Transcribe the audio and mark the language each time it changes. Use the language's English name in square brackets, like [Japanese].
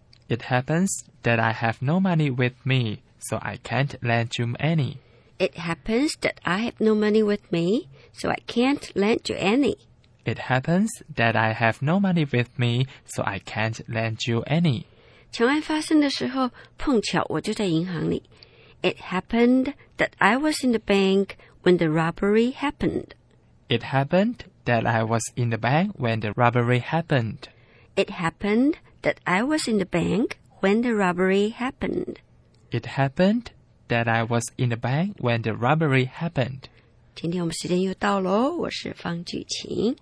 [English] It happens that I have no money with me, so I can't lend you any. It happens that I have no money with me, so I can't lend you any. It happens that I have no money with me, so I can't lend you any. [Chinese] 抢案发生的时候，碰巧我就在银行里。 [English] It happened that I was in the bank when the robbery happened. It happened that I was in the bank when the robbery happened. It happened that I was in the bank when the robbery happened. It happened that I was in the bank when the robbery happened. [Chinese] 今天我们时间又到了，我是方巨晴，